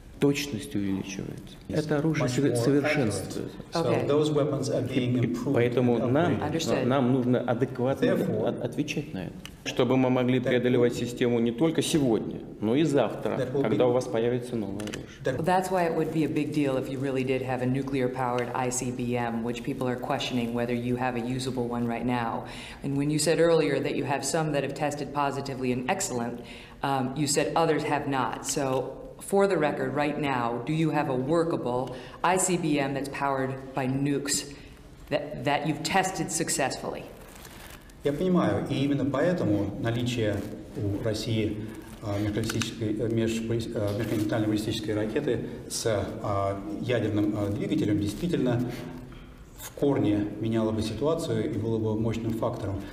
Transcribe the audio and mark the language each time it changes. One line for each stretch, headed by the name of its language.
Russian: Точность увеличивается.
English: Yes.
Russian: Это оружие совершенствуется.
English: Okay.
Russian: Поэтому нам нужно адекватно отвечать на это. Чтобы мы могли преодолевать систему не только сегодня, но и завтра, когда у вас появится новое оружие.
English: That's why it would be a big deal if you really did have a nuclear-powered ICBM, which people are questioning whether you have a usable one right now. And when you said earlier that you have some that have tested positively and excellent, you said others have not. So, for the record, right now, do you have a workable ICBM that's powered by nukes that you've tested successfully?
Russian: Я понимаю, и именно поэтому наличие у России межконтинентально-баллистической ракеты с ядерным двигателем действительно в корне меняло бы ситуацию и было бы мощным фактором.